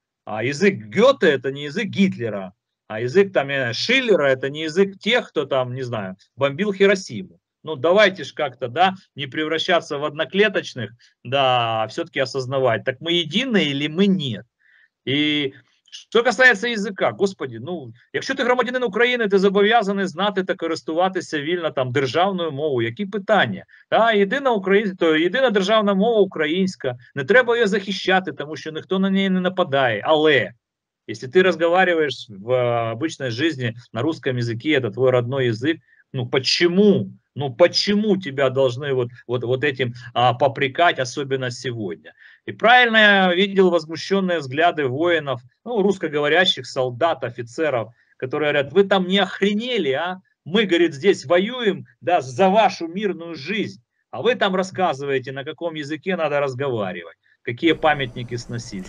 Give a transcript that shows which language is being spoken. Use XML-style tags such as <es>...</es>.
<ru>А язык Гёте это не язык Гитлера. А язык там, я не знаю, Шиллера это не язык тех, кто там, не знаю, бомбил Хиросиму. Ну давайте же как-то, да, не превращаться в одноклеточных, да, все-таки осознавать. Так мы едины или мы нет? И</ru> <uk>Що касається язика, господі, ну, якщо ти громадянин України, ти зобов'язаний знати та користуватися вільно там державною мовою. Які питання? Та, єдина українська, то єдина державна мова українська. Не треба її захищати, тому що ніхто на неї не нападає. Але, якщо ти розмовляєш в звичайній житті на російському мові, це твій рідний язик, ну, чому?</uk> <ru>Ну, почему тебя должны вот этим попрекать, особенно сегодня? И правильно я видел возмущенные взгляды воинов, ну, русскоговорящих солдат, офицеров, которые говорят, вы там не охренели, а? Мы, говорит, здесь воюем, да, за вашу мирную жизнь, а вы там рассказываете, на каком языке надо разговаривать, какие памятники сносить.</ru>